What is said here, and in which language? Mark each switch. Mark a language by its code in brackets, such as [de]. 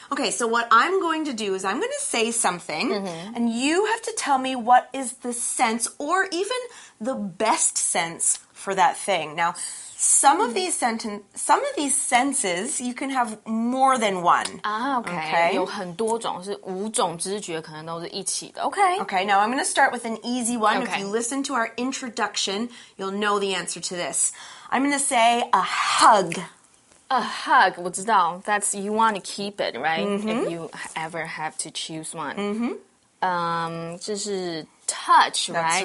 [en] Okay, so what I'm going to do is I'm going to say something, mm-hmm. and you have to tell me what is the sense, or even the best sense for that thing. Now, some of these senses, you can have more than one. Ah, okay. [zh] 有很多种，是五种知觉可能都是一起的。 [en] Okay. Okay, now I'm going to start with an easy one. Okay. If you listen to our introduction, you'll know the answer to this. I'm going to say a hug. A hug, [zh] 我知道, [en] that's you want to keep it, right? Mm-hmm. If you ever have to choose one. Mm-hmm. [zh] 就是 [en] touch, right?